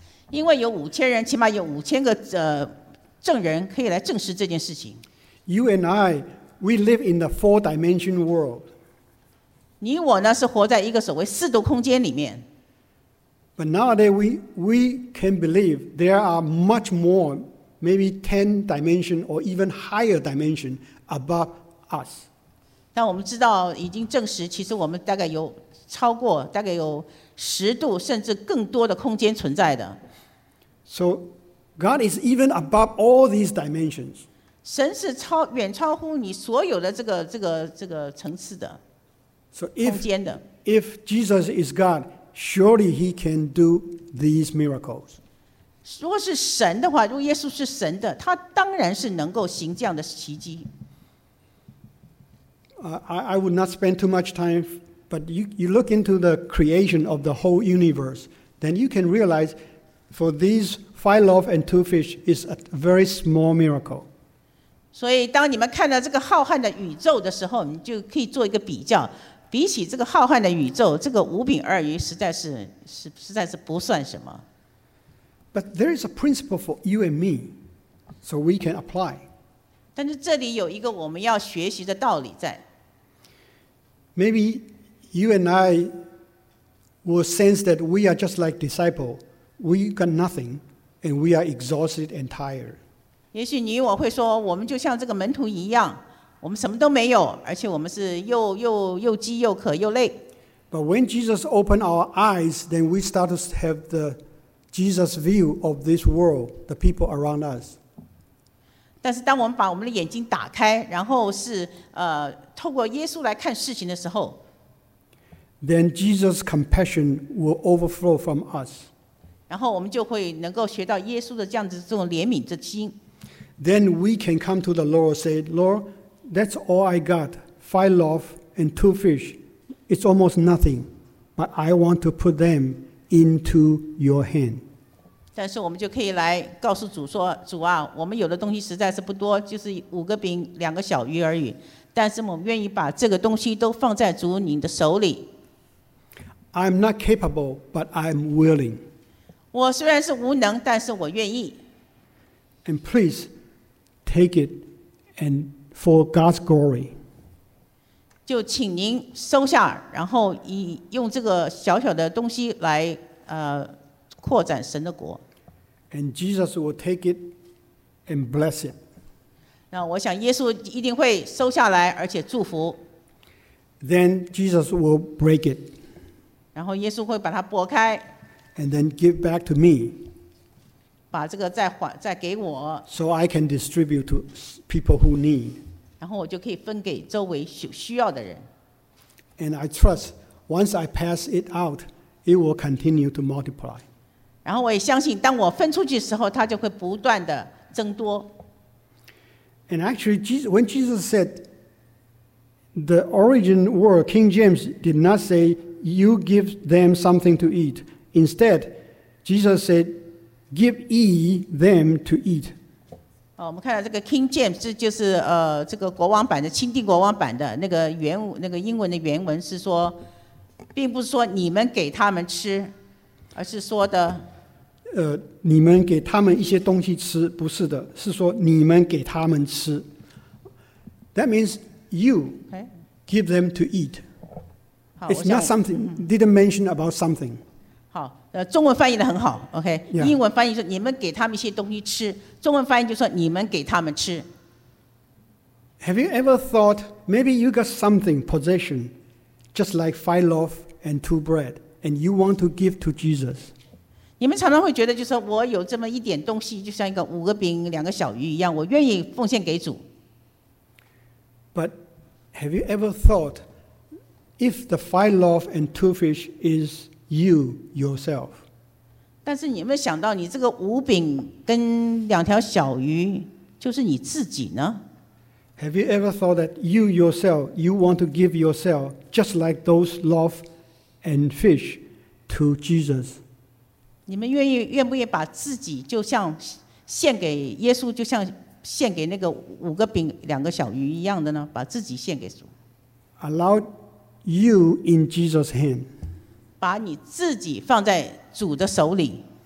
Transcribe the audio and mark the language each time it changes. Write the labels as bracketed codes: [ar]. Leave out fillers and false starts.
[zh] 因为有五千人，起码有5000个证人可以来证实这件事情。 [en] You and I, we live in the 4-dimension world. [zh] 你我呢是活在一个所谓四度空间里面。 [en] But nowadays we can believe there are much more, maybe 10 dimension or even higher dimension above us. [zh] 但我们知道已经证实，其实我们大概有超过大概有10度甚至更多的空间存在的。 [en] So God is even above all these dimensions. [zh] 神是远超乎你所有的这个层次的。 [en] So if, [zh] 空间的。 [en] If Jesus is God, surely he can do these miracles. [zh] 如果是神的话，如果耶稣是神的，他当然是能够行这样的奇迹。 [en] I would not spend too much time, but you look into the creation of the whole universe, then you can realize for these 5 loaves and 2 fish is a very small miracle. [zh] 所以当你们看到这个浩瀚的宇宙的时候，你就可以做一个比较，比起这个浩瀚的宇宙，这个五饼二鱼实在是不算什么。 [en] But there is a principle for you and me, so we can apply. [zh] 但是这里有一个我们要学习的道理在。 [en] Maybe you and I will sense that we are just like disciples. We got nothing, and we are exhausted and tired. [zh] 也许你我会说，我们就像这个门徒一样。我们什么都没有，而且我们是又饥又渴又累。 [en] But when Jesus opened our eyes, then we start to have the Jesus view of this world, the people around us. [zh] 但是当我们把我们的眼睛打开，然后是透过耶稣来看事情的时候 [en] ，then Jesus' compassion will overflow from us. [zh] 然后我们就会能够学到耶稣的这样子这种怜悯之心。 [en] Then we can come to the Lord, say, Lord. That's all I got. 5 loaves and 2 fish. It's almost nothing. But I want to put them into your hand. [zh] 但是我们就可以来告诉主说，主啊，我们有的东西实在是不多，就是五个饼，两个小鱼而已。但是我们愿意把这个东西都放在主你的手里。 [en] I'm not capable, but I'm willing. [zh] 我虽然是无能，但是我愿意。 [en] And please take it and For God's glory. [zh] 就请您收下，然后以用这个小小的东西来扩展神的国。 [en] And Jesus will take it and bless it. [zh] 那我想耶稣一定会收下来，而且祝福。 [en] Then Jesus will break it. [zh] 然后耶稣会把它擘开。 [en] And then give back to me. [zh] 把这个再给我。 [en] So I can distribute to people who need. [zh] 然后我就可以分给周围需要的人。 [en] And I trust once I pass it out, it will continue to multiply. [zh] 然后我也相信，当我分出去的时候，它就会不断的增多。 [en] And actually, when Jesus said the origin word, King James did not say you give them something to eat. Instead, Jesus said, give ye them to eat. [zh] 哦、我们看到这个 King James 就是这个国王版的钦定国王版的那个原那个英文的原文是说，并不是说你们给他们吃，而是说的，你们给他们一些东西吃，不是的，是说你们给他们吃。 [en] That means you give them to eat. It's not something didn't mention about something. [zh] 中文翻译的很好 ，OK、yeah.。英文翻译说你们给他们一些东西吃，中文翻译就说你们给他们吃。 [en] Have you ever thought maybe you got something possession, just like 5 loaves and 2 bread, and you want to give to Jesus? [zh] 你们常常会觉得就是我有这么一点东西，就像一个五个饼两个小鱼一样，我愿意奉献给主。 [en] But have you ever thought if the 5 loaves and 2 fish is You yourself. [zh] 但是你有没有想到，你这个五饼跟两条小鱼就是你自己呢 [en] ？Have you ever thought that you yourself, you want to give yourself just like those loaves and fish to Jesus? [zh] 你们愿不愿意把自己就像献给耶稣，就像献给那个五个饼两个小鱼一样的呢？把自己献给主 [en] ？Allow you in Jesus' hand. [zh] 把你自己放在主的手里